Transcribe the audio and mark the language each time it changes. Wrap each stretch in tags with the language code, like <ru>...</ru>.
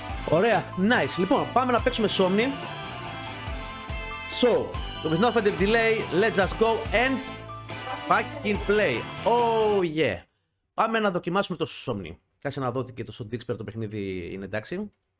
<el>Ωραία, nice. Λοιπόν, πάμε να παίξουμε Somni.</el> <en>So, with no further delay, let's just go and fucking play. Oh yeah.</en> <el>Πάμε να δοκιμάσουμε το Somni. Κάτσε να δω ότι και το Dixper το παιχνίδι είναι εντάξει.</el>